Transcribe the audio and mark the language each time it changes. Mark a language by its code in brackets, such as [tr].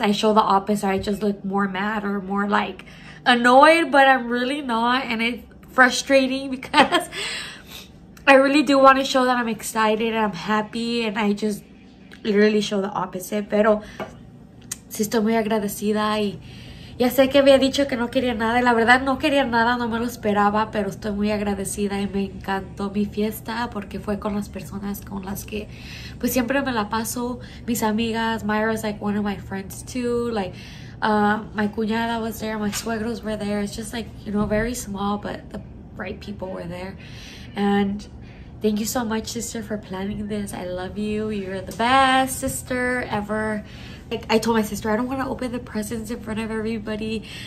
[en] I show the opposite, I just look more mad or more, like, annoyed, but I'm really not, and it's frustrating because I really do want to show that I'm excited and I'm happy, and I just literally show the opposite, [es] pero sí estoy muy agradecida. Y ya sé que había dicho que no quería nada, y la verdad no quería nada, no me lo esperaba, pero estoy muy agradecida y me encantó mi fiesta porque fue con las personas con las que pues siempre me la paso, mis amigas. [en] Myra is like one of my friends too, like my cuñada was there, my suegros were there. It's just like, you know, very small, but the right people were there. And thank you so much, sister, for planning this. I love you. You're the best sister ever. Like, I told my sister, I don't want to open the presents in front of everybody.